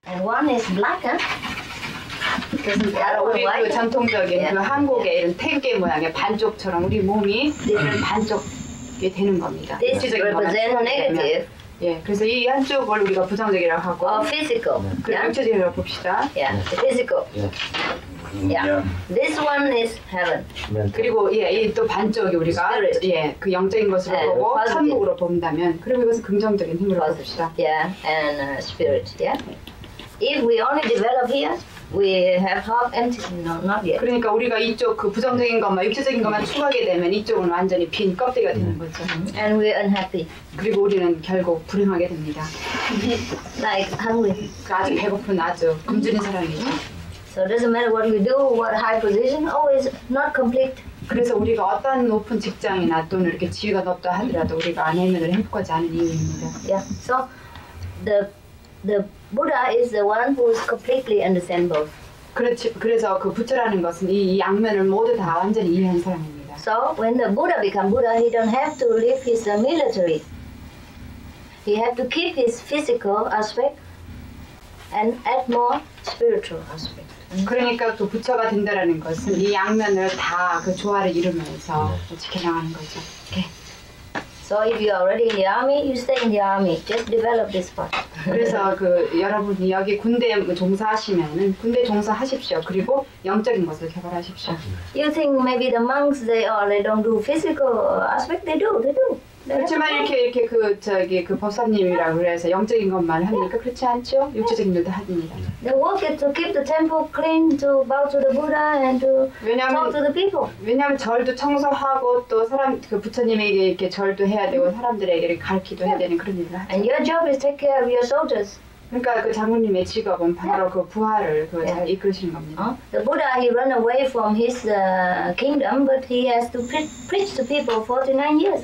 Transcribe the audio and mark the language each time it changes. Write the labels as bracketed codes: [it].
[en] And one is black, huh? [ko] 우리 그 전통적인 그 한국의 이런 태극의 모양의 반쪽처럼 우리 몸이 이런 반쪽이 되는 겁니다. [en] This is represent negative. [ko] 예, 그래서 이 한쪽을 우리가 부정적이라고 하고 [en] physical. [ko] 그 육체적이라고 봅시다. [en] Yeah, physical. This one is heaven. [ko] 그리고 예, 이 또 반쪽이 우리가 [en] spirit. [ko] 예, 그 영적인 것을 보고 천국으로 본다면 그리고 이것은 긍정적인 힘으로 [en] positive. [ko] 봅시다. [en] Yeah, and spirit. Yeah. If we only develop here, we have half empty. No, not yet. [ko] 그러니까 우리가 이쪽 그 부정적인 것만 육체적인 것만 추가하게 되면 이쪽은 완전히 빈 껍데기가 되는 거죠. [en] And we're unhappy. [ko] 그리고 우리는 결국 불행하게 됩니다. [en] Like hungry. [ko] 그러니까 아주 배고픈 아주 굶주린 사람이죠. [en] So it doesn't matter what we do, what high position, always not complete. [ko] 그래서 우리가 어떤 높은 직장이나 또는 이렇게 지위가 높다 하더라도 우리가 안에는 행복하지 않은 이유입니다. [en] Yeah. So the Buddha is the one who is completely understand both. [ko] 그렇지. 그래서 그 부처라는 것은 이 양면을 모두 다 완전히 이해한 사람입니다. [en] So when the Buddha become Buddha, he don't have to leave his military. He have to keep his physical aspect and add more spiritual aspect. [ko] 그러니까 또 부처가 된다라는 것은 이 양면을 다 그 조화를 이루면서 지켜나가는 거죠. [en] Okay. So if you already in the army, you stay in the army. Just develop this part. [ko] 그래서 그 여러분이 여기 군대에 종사하시면은 군대 종사하십시오. 그리고 영적인 것을 개발하십시오. [en] You think maybe the monks they don't do physical aspect? They do. [ko] 그렇지만 이렇게 그 저기 그 법사님이라 그래서 영적인 것만 합니까? 그렇지 않죠? 육체적인 일도 합니다. [en] The work is to keep the temple clean, to bow to the Buddha and to [ko] 왜냐하면, [en] talk to the people. [ko] 왜냐하면 절도 청소하고 또 사람 그 부처님에게 이렇게 절도 해야 되고 사람들에게 가르치도 해야 되는 그런 일을 하죠. [en] And your job is take care of your soldiers. [ko] 그러니까 그 장군님의 직업은 바로 그 부하를 그 잘 이끄시는 겁니다. [en] The Buddha he run away from his kingdom, but he has to preach to people 49 years.